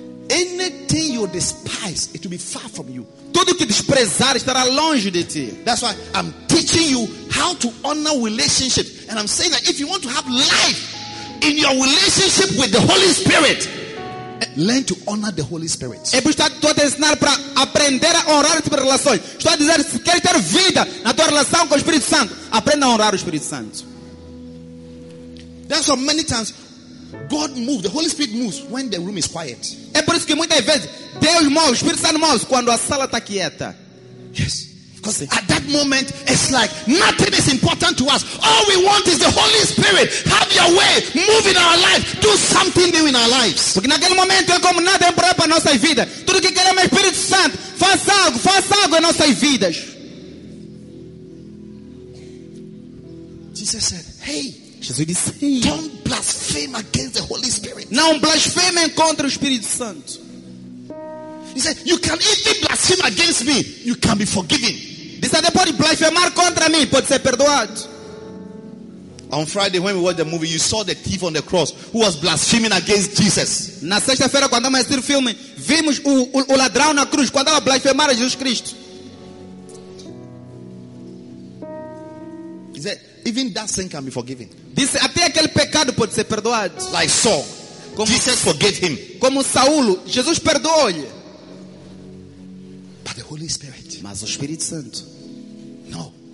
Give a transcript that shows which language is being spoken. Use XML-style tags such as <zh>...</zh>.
<en>Anything you despise, it will be far from you.</en> <pt>Tudo que desprezar estará longe de ti.</pt> <en>That's why I'm teaching you how to honor relationships. And I'm saying that if you want to have life in your relationship with the Holy Spirit, learn to honor the Holy Spirit.</en> <pt>É por isso que estou a ensinar para aprender a honrar as tuas relações. Estou a dizer, se queres ter vida na tua relação com o Espírito Santo, aprenda a honrar o Espírito Santo.</pt> <en>That's why many times God moves, the Holy Spirit moves when the room is quiet.</en> <pt>É por isso que muitas vezes Deus move, o Espírito Santo move quando a sala está quieta.</pt> <en>Yes. Because sim. At that moment, it's like nothing is important to us. All we want is the Holy Spirit. Have your way. Move in our life. Do something new in our lives.</en> <pt>Porque naquele momento é como nada é importante para a nossa vida. Tudo que queremos é o Espírito Santo. Faça algo em nossas vidas.</pt> <en>Jesus said, hey.</en> <pt>Jesus disse, hey.</pt> <en>Don't blaspheme against the Holy Spirit.</en> <pt>Não blasfeme contra o Espírito Santo.</pt> <en>He said, you can even blaspheme against me, you can be forgiven.</en> <pt>Disse, você pode blasfemar contra mim, pode ser perdoado.</pt> <en>On Friday, when we watched the movie, you saw the thief on the cross who was blaspheming against Jesus.</en> <pt>Na sexta-feira, quando nós assistimos o filme, vimos o ladrão na cruz quando estava blasfemando Jesus Cristo.</pt> <en>He said, even that sin can be forgiven.</en> <pt>Disse, até aquele pecado pode ser perdoado.</pt> <en>Like Saul, como, Jesus forgave him.</en> <pt>Como Saulo, Jesus perdoou-lhe.</pt> <en>But the Holy Spirit.</en> <pt>Mas o Espírito Santo.</pt> <en>No.</en>